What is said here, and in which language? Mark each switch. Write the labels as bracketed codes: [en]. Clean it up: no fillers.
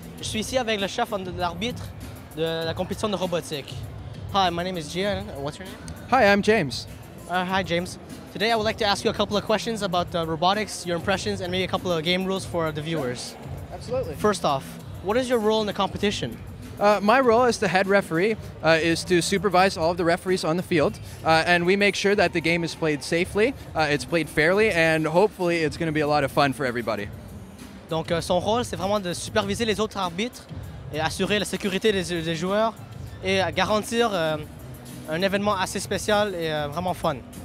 [fr] Je suis ici avec le chef de l'arbitre de la compétition de robotique. [en] Hi, my name is Jian. What's your name? Hi, I'm James. Hi, James. Today I would like to ask you a couple of questions about robotics, your impressions, and maybe a couple of game rules for the viewers. Sure. Absolutely. First off, what is your role in the competition? My role as the head referee is to supervise all of the referees on the field, and we make sure that the game is played safely, it's played fairly, and hopefully it's going to be a lot of fun for everybody. [fr] Donc son rôle, c'est vraiment de superviser les autres arbitres et assurer la sécurité des joueurs et garantir un événement assez spécial et vraiment fun.